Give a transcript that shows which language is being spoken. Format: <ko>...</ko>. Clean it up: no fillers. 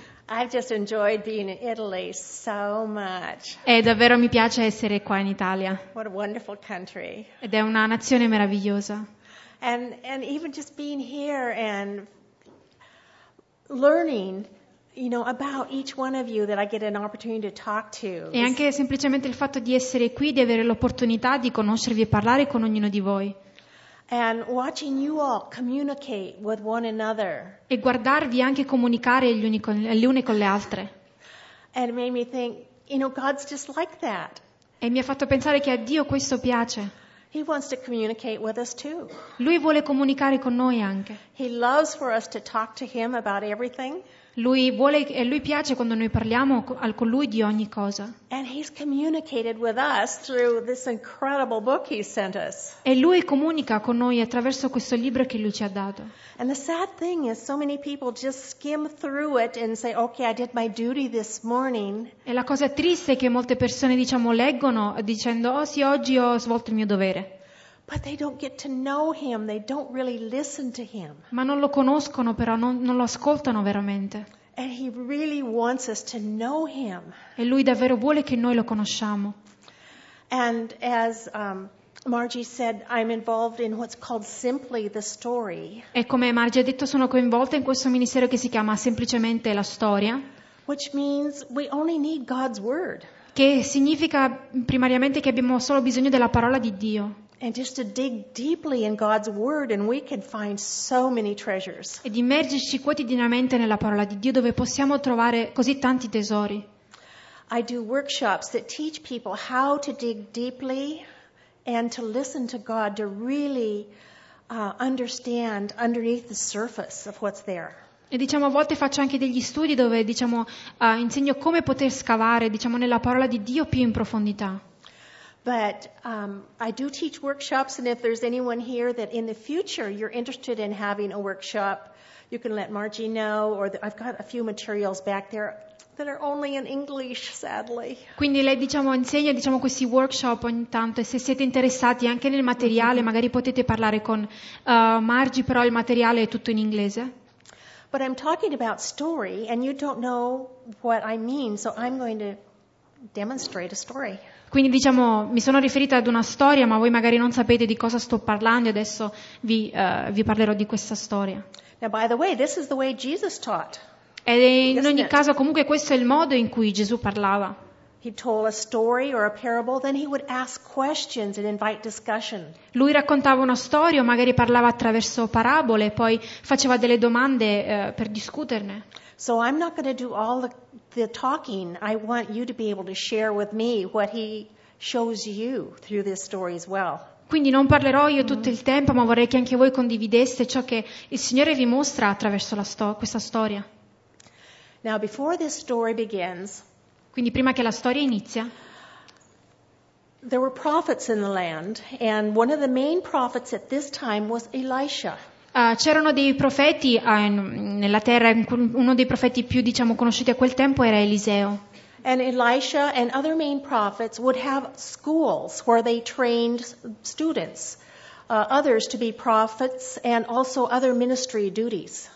<en>I've just enjoyed being in Italy so much.</en> <it>E davvero mi piace essere qua in Italia.</it> <en>What a wonderful country.</en> <it>Ed è una nazione meravigliosa.</it> <en>And even just being here and learning, you know, about each one of you that I get an opportunity to talk to.</en> <it>E anche semplicemente il fatto di essere qui, di avere l'opportunità di conoscervi e parlare con ognuno di voi.</it> <en>And watching you all communicate with one another.</en> <it>E guardarvi anche comunicare gli uni con le altre.</it> <en>And it made me think, you know, God's just like that.</en> <it>E mi ha fatto pensare che a Dio questo piace.</it> <en>He wants to communicate with us too.</en> <it>Lui vuole comunicare con noi anche.</it> <en>He loves for us to talk to him about everything.</en> <it>Lui vuole e lui piace quando noi parliamo con lui di ogni cosa.</it> <en>And he's communicated with us through this incredible book he sent us.</en> <it>E lui comunica con noi attraverso questo libro che lui ci ha dato.</it> <en>And the sad thing is so many people just skim through it and say, okay, I did my duty this morning.</en> <it>E la cosa triste è che molte persone, diciamo, leggono dicendo, oh sì, oggi ho svolto il mio dovere.</it> <en>But they don't get to know him, they don't really listen to him.</en> <it>Ma non lo conoscono, però non lo ascoltano veramente.</it> <en>And he really wants us to know him.</en> <it>E lui davvero vuole che noi lo conosciamo.</it> <en>And as Margie said, I'm involved in what's called Simply the Story.</en> <it>E come Margie ha detto, sono coinvolta in questo ministero che si chiama Semplicemente la Storia.</it> <en>Which means we only need God's word.</en> <it>Che significa primariamente che abbiamo solo bisogno della parola di Dio.</it> <en>And just to dig deeply in God's word and we can find so many treasures.</en> <it>Ed immergerci quotidianamente nella parola di Dio dove possiamo trovare così tanti tesori.</it> <en>I do workshops that teach people how to dig deeply and to listen to God, to really understand underneath the surface of what's there.</en> <it>E diciamo, a volte faccio anche degli studi dove diciamo insegno come poter scavare, diciamo, nella parola di Dio più in profondità.</it> <en>But I do teach workshops, and if there's anyone here that in the future you're interested in having a workshop, you can let Margie know, or I've got a few materials back there that are only in English, sadly.</en> <it>Quindi lei diciamo insegna diciamo questi workshop ogni tanto, e se siete interessati anche nel materiale, mm-hmm. magari potete parlare con Margie, però il materiale è tutto in inglese.</it> <en>But I'm talking about story, and you don't know what I mean, so I'm going to demonstrate a story.</en> <it>Quindi diciamo, mi sono riferita ad una storia, ma voi magari non sapete di cosa sto parlando, e adesso vi parlerò di questa storia.</it> <en>Now, by the way, this is the way Jesus taught.</en> <it>E in ogni caso, comunque, questo è il modo in cui Gesù parlava.</it> <en>He told a story or a parable, then he would ask questions and invite discussion.</en> <it>Lui raccontava una storia, o magari parlava attraverso parabole, poi faceva delle domande per discuterne.</it> <en>So I'm not going to do all the talking. I want you to be able to share with me what he shows you through this story as well.</en> <it>Quindi non parlerò io tutto il tempo, ma vorrei che anche voi condivideste ciò che il Signore vi mostra attraverso questa storia.</it> <en>Now, before this story begins,</en> <it>quindi prima che la storia inizia,</it> <en>there were prophets in the land, and one of the main prophets at this time was Elisha.</en> <it>C'erano dei profeti nella terra, uno dei profeti più diciamo conosciuti a quel tempo era Eliseo.</it> <en>And Elisha and other main prophets would have schools where they trained students, others to be prophets and also other ministry duties.</en>